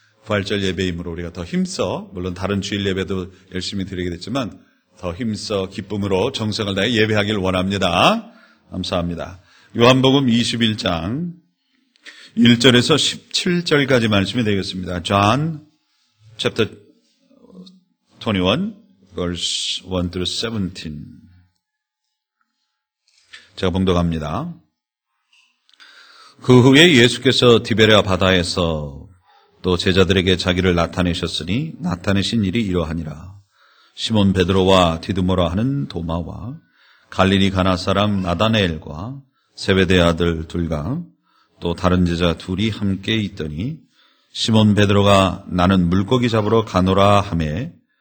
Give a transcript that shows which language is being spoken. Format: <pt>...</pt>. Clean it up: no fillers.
<ko>부활절 예배임으로 우리가 더 힘써 물론 다른 주일 예배도 열심히 드리게 됐지만 더 힘써 기쁨으로 정성을 다해 예배하길 원합니다. 감사합니다. 요한복음 21장 1절에서 17절까지 말씀이 되겠습니다.</ko> <en>John chapter 21, verse 1 through 17.</en> <ko>제가 봉독합니다. 그 후에 예수께서 디베레아 바다에서 또 제자들에게 자기를 나타내셨으니 나타내신 일이 이러하니라. 시몬 베드로와 디드모라 하는 도마와 갈릴리 가나 사람 나다네엘과 세베대 아들 둘과 또 다른 제자 둘이 함께 있더니 시몬 베드로가 나는 물고기 잡으러 가노라 하매</ko>